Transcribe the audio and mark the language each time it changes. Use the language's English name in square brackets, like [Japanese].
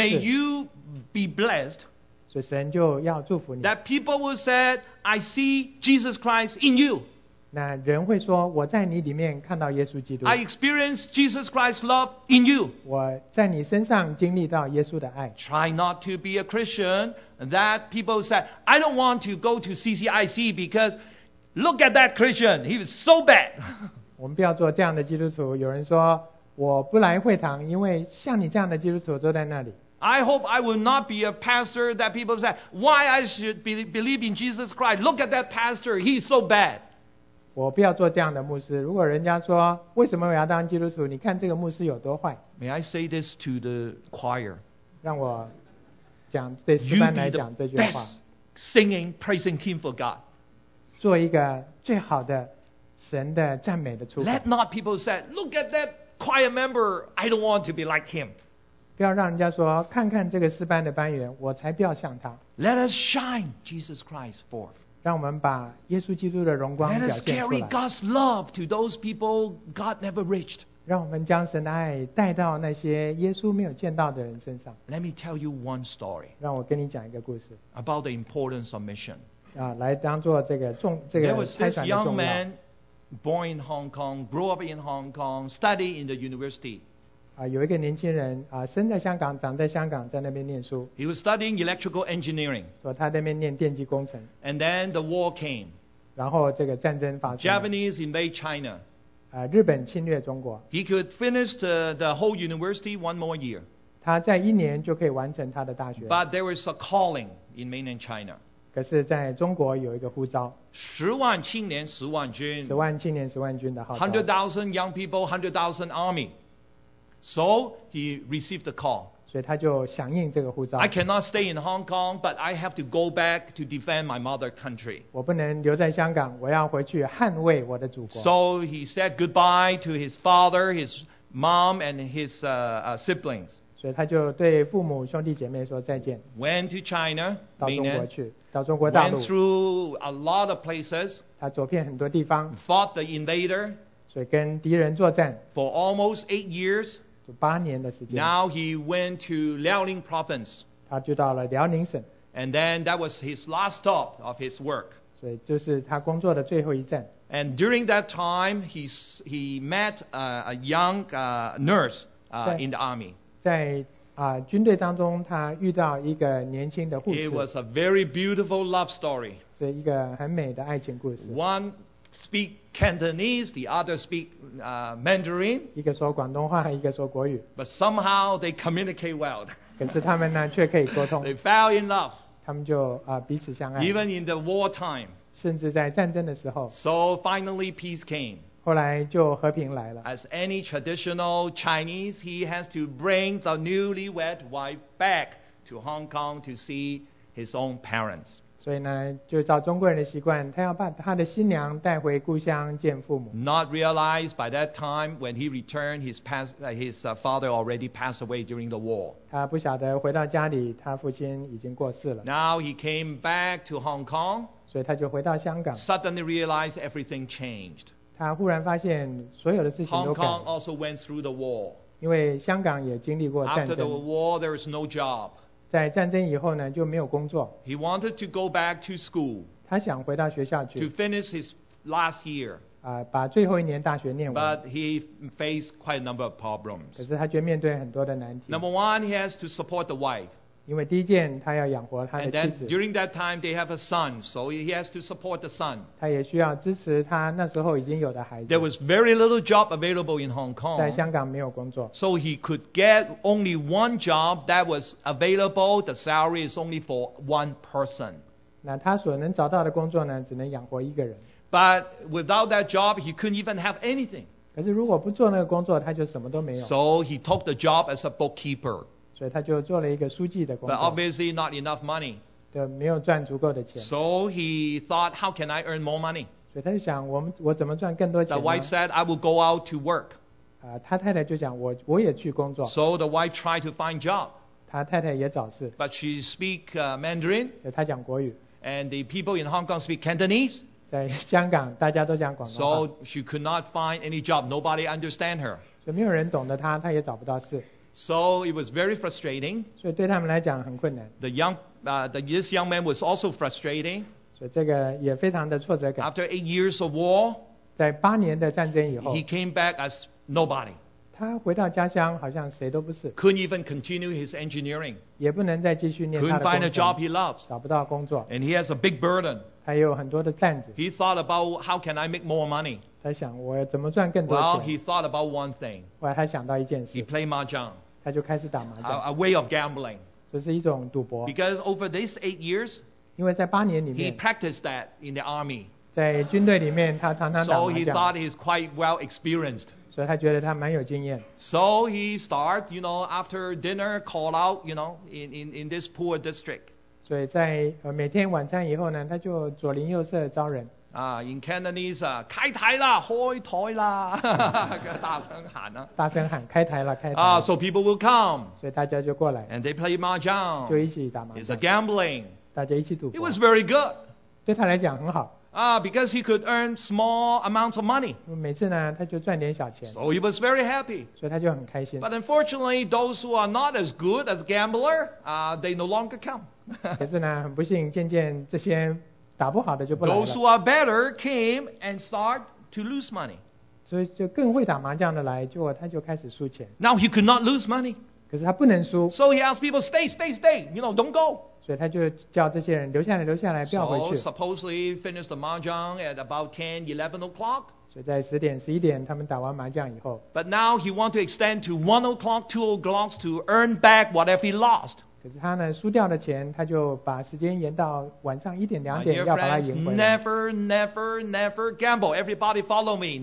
[English] ，May you be blessed. [Chinese] 所以神就要祝福你。 [English] That people will say, I see Jesus Christ in you. [Chinese] 那人会说，我在你里面看到耶稣基督。 [English] I experience Jesus Christ's love in you. [Chinese] 我在你身上经历到耶稣的爱。 [English] Try not to be a Christian that people say, I don't want to go to CCIC because look at that Christian, he was so bad. [Chinese] 我们不要做这样的基督徒。有人说，我不来会堂，因为像你这样的基督徒坐在那里。 [English] I hope I will not be a pastor that people say, why I should believe in Jesus Christ? Look at that pastor, he's so bad. [Chinese] 我不要做这样的牧师。如果人家说，为什么我要当基督徒？你看这个牧师有多坏。 [English] May I say this to the choir? [Chinese] 让我讲对诗班来讲这句话。 [English] You be the best singing, praising team for God. [Chinese] 做一个最好的神的赞美的出口。 [English] Let not people say, look at that choir member, I don't want to be like him. [Chinese] 不要让人家说，看看这个诗班的班员，我才不要像他。 [English] Let us shine Jesus Christ forth. [Chinese] 让我们把耶稣基督的荣光表现出来。 [English] Let us carry God's love to those people God never reached. [Chinese] 让我们将神的爱带到那些耶稣没有见到的人身上。 [English] Let me tell you one story. [Chinese] 让我跟你讲一个故事。 [English] About the importance of mission. [Chinese] 啊，来当做这个重这个拆散的重要。 [English] There was this young man born in Hong Kong, grew up in Hong Kong, studied in the university. [Chinese] 有一个年轻人生在香港长在香港在那边念书 [English] He was studying electrical engineering [Chinese] 所以他在那边念电机工程 [English] And then the war came [Chinese] 然后这个战争发生 [English] Japanese invade China [Chinese] 日本侵略中国 [English] He could finish the whole university one more year [Chinese] 他在一年就可以完成他的大学 [English] But there was a calling in mainland China [Chinese] 可是在中国有一个呼召十万青年十万军十万青年十万军的号召 [English] 100,000 young people 100,000 army So he received the call. [Chinese] 所以他就响应这个呼召。 [English] I cannot stay in Hong Kong, but I have to go back to defend my mother country. [Chinese] 我不能留在香港，我要回去捍卫我的祖国。 [English] So he said goodbye to his father, his mom, and his siblings. [Chinese] 所以他就对父母兄弟姐妹说再见。 [English] Went to China, [Chinese] 到中国去，到中国大陆。 [English] Went through a lot of places. [Chinese] 他走遍很多地方。 [English] Fought the invader. [Chinese] 所以跟敌人作战 [English] For almost 8 years [Chinese] 就八年的时间 [English] Now he went to Liaoning province [Chinese] 他就到了辽宁省 [English] And then that was his last stop of his work [Chinese] 所以就是他工作的最后一站 [English] And during that time he met a young nurse in the army [Chinese] 在军队当中他遇到一个年轻的护士 [English] It was a very beautiful love story [Chinese] 是一个很美的爱情故事 [English] OneSpeak Cantonese, the other speak Mandarin. [Chinese] 一个说广东话，一个说国语。 [English] But somehow they communicate well. [Chinese] 可是他们呢，却可以沟通。 [English] They fell in love. [Chinese] 他们就彼此相爱。 [English] Even in the war time. [Chinese] 甚至在战争的时候。 [English] So finally peace came. [Chinese] 后来就和平来了。 [English] As any traditional Chinese, he has to bring the newlywed wife back to Hong Kong to see his own parents. [Chinese] 所以呢，就照中国人的习惯，他要把他的新娘带回故乡见父母。 [English] Not realized by that time when he returned, his father already passed away during the war. [Chinese] 他不晓得回到家里，他父亲已经过世了。 [English] Now he came back to Hong Kong. [Chinese] 所以他就回到香港。 [English] Suddenly realized everything changed. [Chinese] 他忽然发现所有的事情都改了。 [English] Hong Kong also went through the war. [Chinese] 因为香港也经历过战争。 [English] After the war, there was no job. [Chinese] 在战争以后呢，就没有工作。 [English] He wanted to go back to school. [Chinese] 他想回到学校去。 [English] To finish his last year. [Chinese] 把最后一年大学念完。 [English] But he faced quite a number of problems. [Chinese] 可是他却面对很多的难题。 [English] Number one, he has to support the wife. [Chinese] 因为第一件，他要养活他的妻子。 [English] And then during that time, they have a son, so he has to support the son. [Chinese] 他也需要支持他那时候已经有的孩子。 [English] There was very little job available in Hong Kong. [Chinese] 在香港没有工作。 [English] So he could get only one job that was available. The salary is only for one person. [Chinese] 那他所能找到的工作呢，只能养活一个人。 [English] But without that job, he couldn't even have anything. [Chinese] 可是如果不做那个工作，他就什么都没有。 [English] So he took the job as a bookkeeper. [Chinese] 所以他就做了一个书记的工作。 [English] But obviously not enough money. [Chinese] 对，没有赚足够的钱。 [English] So he thought, how can I earn more money? [Chinese] 所以他就想，我怎么赚更多钱呢 [English] ？The wife said, I will go out to work. [Chinese] 他太太就想，我也去工作。 [English] So the wife tried to find job. [Chinese] 他太太也找事。 [English] But she speak Mandarin. [Chinese] 他讲国语。 [English] And the people in Hong Kong speak Cantonese. [Chinese] 在香港，大家都讲广东话。 [English] So she could not find any job. Nobody understand her. [Chinese] 所以没有人懂得他，他也找不到事。 [English] So it was very frustrating. [Chinese] 所以对他们来讲很困难。 [English] This young man was also frustrating. [Chinese] 所以这个也非常的挫折感。 [English] After 8 years of war, [Chinese] 在八年的战争以后 [English] he came back as nobody. [Chinese] 他回到家乡好像谁都不是。 [English] Couldn't even continue his engineering. [Chinese] 也不能再继续念他的工程。 [English] Couldn't find a job he loves. [Chinese] 找不到工作。 [English] And he has a big burden. [Chinese] 他有很多的担子。 [English] He thought about how can I make more money. [Chinese] 他想我怎么赚更多钱 [English] Well, he thought about one thing. [Chinese] 我还想到一件事 [English] He played mahjong. [Chinese] 他就开始打麻将 [English] A way of gambling. [Chinese] 这是一种赌博 [English] Because over these 8 years, [Chinese] 因为在八年里面 [English] he practiced that in the army. [Chinese] 在军队里面他常常打麻将 [English] So he thought he's quite well experienced. [Chinese] 所以他觉得他蛮有经验 [English] So he started, you know, after dinner, call out, you know, in this poor district. [Chinese] 所以在每天晚餐以后呢他就左邻右舍招人 [English] In Cantonese, [Chinese] 开台啦，开台啦，大声喊啊！大声喊，开台啦，开台。 [English] So people will come. [Chinese] 所以大家就过来。 [English] And they play mahjong. [Chinese] 就一起打麻将。 [English] It's a gambling. [Chinese] 大家一起赌博。 [English] It was very good. [Chinese] 对他来讲很好。 [English] Because he could earn small amounts of money. [Chinese] 每次呢，他就赚点小钱。 [English] So he was very happy. [Chinese] 所以他就很开心。 [English] But unfortunately, those who are not as good as gambler, they no longer come. [Chinese] 可是呢，很不幸，渐渐这些。打不好的就不来了。 [English] Those who are better came and start to lose money. [Chinese] 所以就更会打麻将的来，结果他就开始输钱。 [English] Now he could not lose money. [Chinese] 可是他不能输。 [English] So he asked people, stay, you know, don't go. [Chinese] 所以他就叫这些人留下来，不要回去。 [English] So supposedly finished the mahjong at about 10, 11 o'clock. [Chinese] 所以在十点、十一点，他们打完麻将以后。 [English] But now he want to extend to 1 o'clock, 2 o'clock to earn back whatever he lost. [Chinese] 可是他呢，输掉的钱，他就把时间延到晚上一点两点，要把它赢回来。 [English] Never gamble. Everybody follow me.